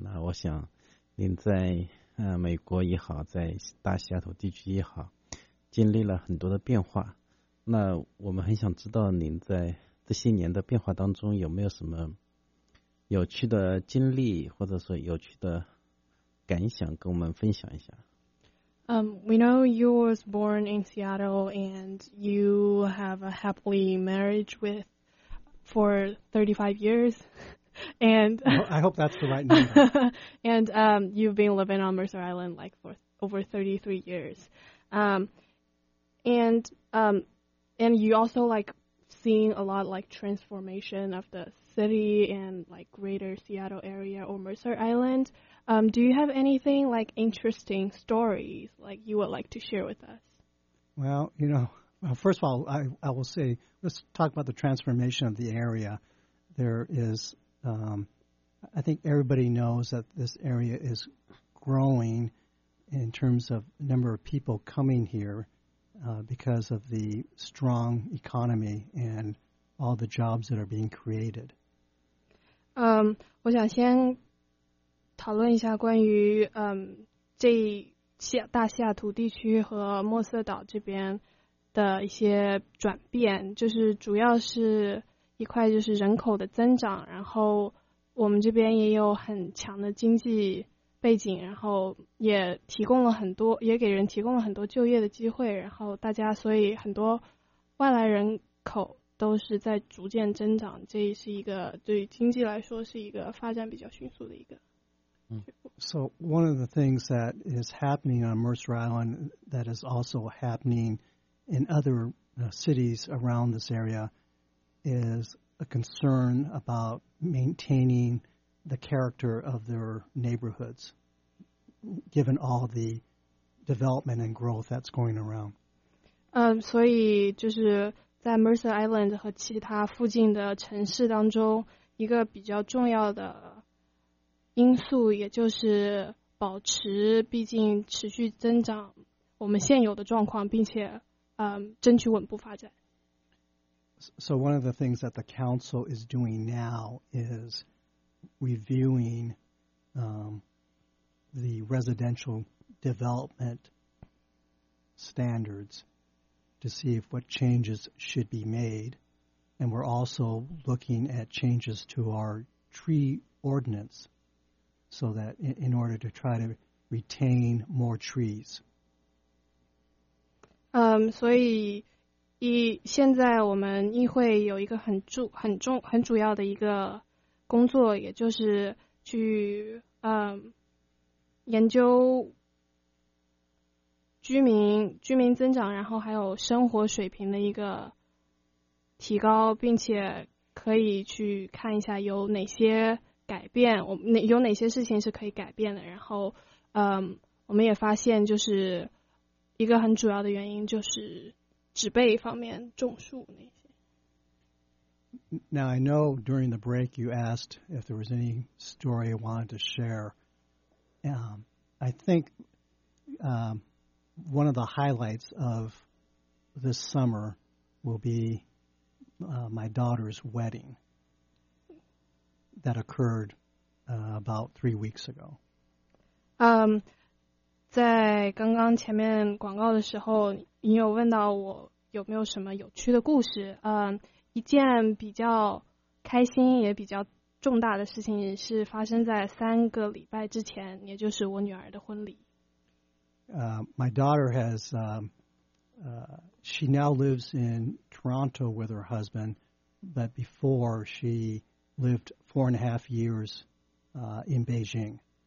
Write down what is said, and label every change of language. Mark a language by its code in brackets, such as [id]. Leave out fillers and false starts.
[zh] 那我想，您在美国也好，在大西雅图地区也好，经历了很多的变化。那我们很想知道您在这些年的变化当中有没有什么有趣的经历，或者说有趣的感想跟我们分享一下。 [en] We know you was born in Seattle and you have a happily marriage with for 35 years. And I hope that's the right number. And you've been living on Mercer Island like for over 33 years. And you also like seeing a lot like transformation of the city and like greater Seattle area or Mercer Island. Do you have anything like interesting stories like you would like to share with us? Well, you know, first of all, I will say, let's talk about the transformation of the area. There is, I think everybody knows that this area is growing in terms of the number of people coming here because of the strong economy and all the jobs that are being created. [zh] 我想先讨论一下关于这大西雅图地区和莫瑟岛这边的一些转变，就是主要是一块就是人口的增长，然后我们这边也有很强的经济背景，然后也提供了很多，也给人提供了很多就业的机会，然后大家所以很多外来人口都是在逐渐增长，这是一个对于经济来说是一个发展比较迅速的一个。 [en] So one of the things that is happening on Mercer Island that is also happening in other cities around this area is a concern about maintaining the character of their neighborhoods, given all the development and growth that's going around. [zh] 所以就是在 Mercer Island 和其他附近的城市当中，一个比较重要的因素也就是保持，毕竟持续增长我们现有的状况，并且争取稳步发展。 [en] So one of the things that the council is doing now is reviewing the residential development standards to see if what changes should be made, and we're also looking at changes to our tree ordinance. So that in order to try to retain more trees. [zh] 所以现在我们议会有一个很主要的一个工作，也就是去研究居民增长，然后还有生活水平的一个提高，并且可以去看一下有哪些改变，有哪些事情是可以改变的。然后我们也发现就是一个很主要的原因就是植被方面，种树那些。 [en] Now I know during the break you asked if there was any story you wanted to share. I think one of the highlights of this summer will be my daughter's wedding that occurred about 3 weeks ago. [zh] 在刚刚前面广告的时候，你有问到我有没有什么有趣的故事。一件比较开心也比较重大的事情是发生在三个礼拜之前，也就是我女儿的婚礼。 [en] My daughter has, she now lives in Toronto with her husband, but before she lived 4.5 years, in Beijing.